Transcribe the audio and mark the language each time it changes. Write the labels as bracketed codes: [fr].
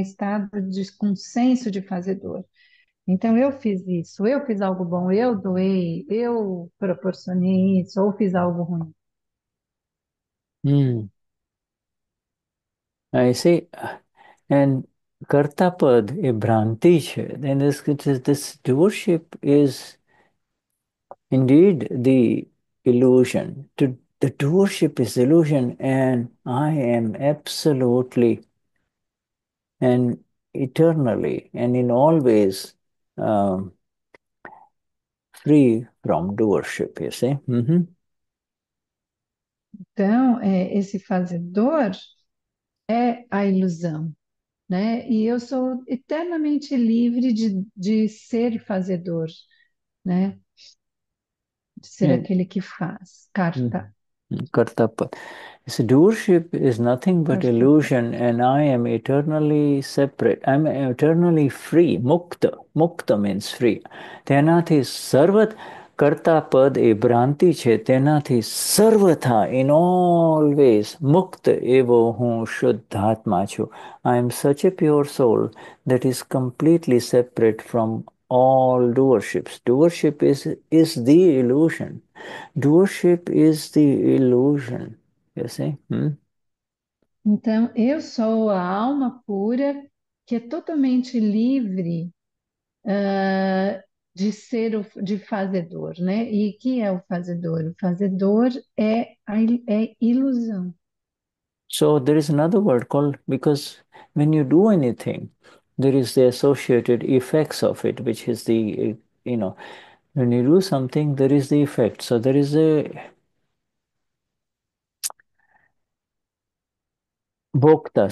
[pt] Estado de consenso de fazedor. Então, eu fiz isso, eu fiz algo bom, eu doei, eu proporcionei isso, ou fiz algo ruim. [en] I see. And Kartapad e Bhranti, then this doership is indeed the illusion. The doership is illusion, and I am absolutely and eternally and in all ways free from doership, you see. [pt] Então, esse fazedor é a ilusão, né? E eu sou eternamente livre de ser fazedor, né? De ser aquele que faz. Karta. Kartapad. [en] So doership is nothing but Karta. illusion, and I am eternally separate. I'm eternally free. Mukta. Mukta means free. [gu] Tenati sarvat kartapad e bhranti che tenati sarvatha [en] in all ways. [gu] Mukta evo hun shuddhatma chu. [en] I am such a pure soul that is completely separate from all doerships. Doership is the illusion. Doership is the illusion. You see? [pt] Então, eu sou a alma pura que é totalmente livre de fazedor, né? E que é o fazedor? O fazedor é ilusão. [en] So there is another word called, because when you do anything, there is the associated effects of it, which is the, when you do something, there is the effect. So there is a bhokta.